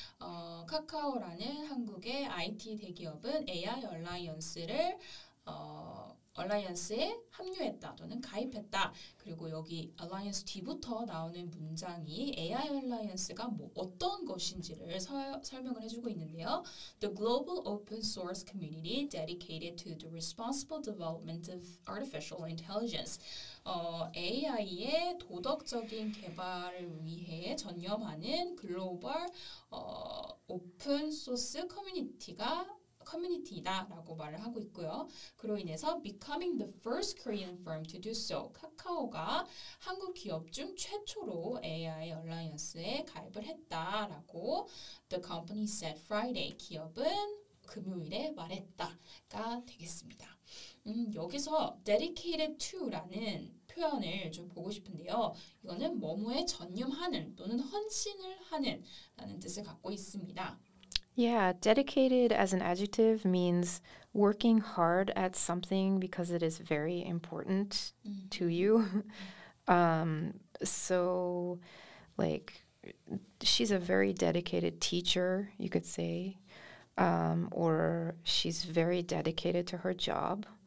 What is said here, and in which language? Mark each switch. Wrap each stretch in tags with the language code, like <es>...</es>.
<ko>카카오라는 한국의 IT 대기업은 AI 얼라이언스를 얼라이언스에 합류했다 또는 가입했다. 그리고 여기 얼라이언스 뒤부터 나오는 문장이 AI 얼라이언스가 뭐 어떤 것인지를 설명을 해주고 있는데요.</ko> <en>The global open source community dedicated to the responsible development of artificial intelligence.</en> <ko>AI의 도덕적인 개발을 위해 전념하는 글로벌 오픈 소스 커뮤니티가 커뮤니티다라고 말을 하고 있고요. 그로 인해서</ko> <en>becoming the first Korean firm to do so.</en> <ko>카카오가 한국 기업 중 최초로 AI 얼라이언스에 가입을 했다라고</ko> <en>the company said Friday.</en> <ko>기업은 금요일에 말했다가 되겠습니다. 여기서 dedicated to라는 표현을 좀 보고 싶은데요. 이거는 뭐뭐에 전념하는 또는 헌신을 하는 라는 뜻을 갖고 있습니다.</ko> <en>Yeah, dedicated as an adjective means working hard at something because it is very important to you. So, like, she's a very dedicated teacher, you could say, or she's very dedicated to her job.</en>